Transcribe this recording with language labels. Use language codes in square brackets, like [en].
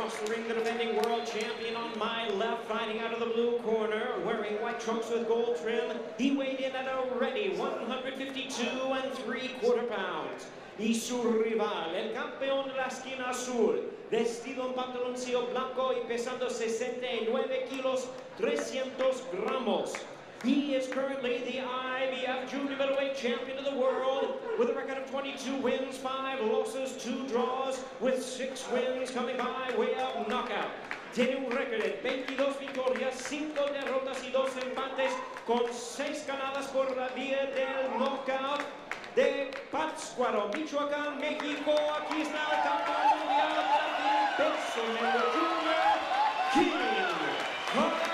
[en] Ring, the defending world champion on my left, fighting out of the blue corner, wearing white trunks with gold trim. He weighed in at already 152¾ pounds. [es] Y su rival, el campeón de la esquina azul, vestido en pantaloncillo blanco y pesando 69 kilos, 300 gramos. [en] He is currently the IBF Junior Middleweight Champion of the World with a record of 22 wins, 5 losses, 2 draws, with 6 wins coming by way of knockout. [es] Tiene un record de 22 victorias, 5 derrotas y 2 empates con 6 ganadas por la vía del knockout de Pátzcuaro, Michoacán, México. Aquí está el campeón mundial de peso medio junior, King.